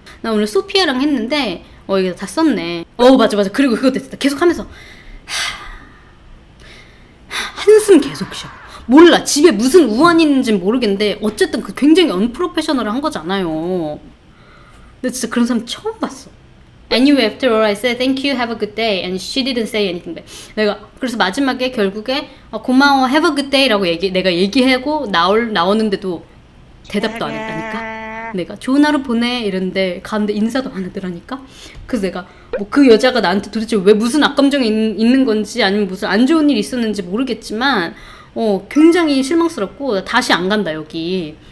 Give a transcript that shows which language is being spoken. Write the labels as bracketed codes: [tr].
[ko] 나 오늘 소피아랑 했는데 이게 다 썼네. 맞아. 그리고 그거 됐다. 계속 하면서 한숨 계속 쉬어. 몰라. 집에 무슨 우환이 있는지는 모르겠는데 어쨌든 그 굉장히 언프로페셔널을 한 거잖아요. 나 진짜 그런 사람 처음 봤어. [en] Anyway, after all, I said thank you, have a good day, and she didn't say anything back. [ko] 내가 그래서 마지막에 결국에 고마워, [en] have a good day [ko] 라고 내가 얘기하고 나오는데도 대답도 안 했다니까. 내가 좋은 하루 보내 이랬는데 가는데 인사도 안 하더라니까. 그래서 내가 뭐 그 여자가 나한테 도대체 왜 무슨 악감정이 있는 건지 아니면 무슨 안 좋은 일 있었는지 모르겠지만 굉장히 실망스럽고 다시 안 간다 여기.